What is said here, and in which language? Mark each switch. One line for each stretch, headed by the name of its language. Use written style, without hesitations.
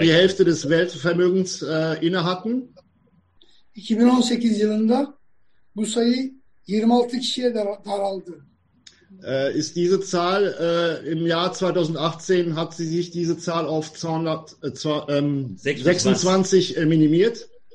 German: die Hälfte des Weltvermögens inne hatten.
Turkish: 2018 yılında bu sayı 26 kişiye daraldı.
German: Ist diese Zahl im Jahr 2018 hat sie sich diese Zahl auf 226 minimiert.